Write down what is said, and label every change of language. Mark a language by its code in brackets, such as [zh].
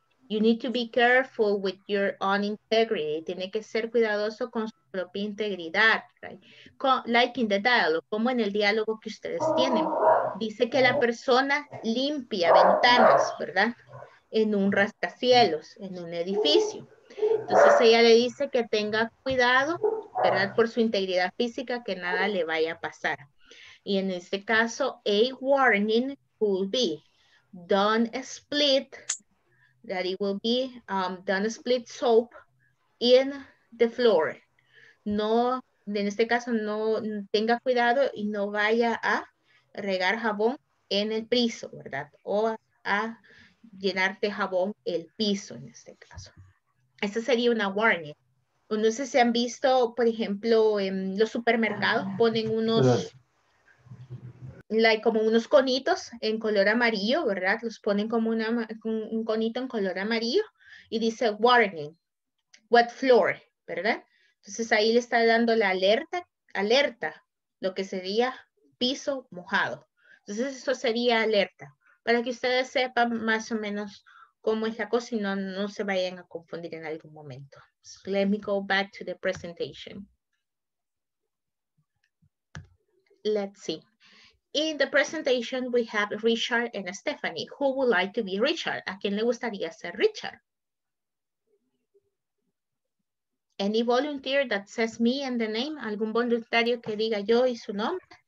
[en] You need to be careful with your own integrity. [es] Tiene que ser cuidadoso con su propia integridad. Right? [en] Like in the dialogue, [es] como en el diálogo que ustedes tienen. Dice que la persona limpia ventanas, ¿verdad? En un rascacielos, en un edificio. Entonces ella le dice que tenga cuidado, ¿verdad? Por su integridad física, que nada le vaya a pasar. Y en este caso, [en] a warning could be, don't split, that it will be, don't split soap in the floor. [es] No, en este caso, no tenga cuidado y no vaya a regar jabón en el piso, ¿verdad? O a llenarte jabón el piso en este caso. Esta sería una warning. No sé si han visto, por ejemplo, en los supermercados ponen unos, like, como unos conitos en color amarillo, ¿verdad? Los ponen como un conito en color amarillo y dice [en] warning, wet floor, [es] ¿verdad? Entonces ahí le está dando la alerta, lo que sería piso mojado. Entonces eso sería alerta, para que ustedes sepan más o menos cómo es la cosa y no se vayan a confundir en algún momento. [en] So let me go back to the presentation. Let's see. In the presentation, we have Richard and Stephanie. Who would like to be Richard? [es] ¿A quién le gustaría ser Richard? [en] Any volunteer that says me and the name? [es] ¿Algún voluntario que diga yo y su nombre?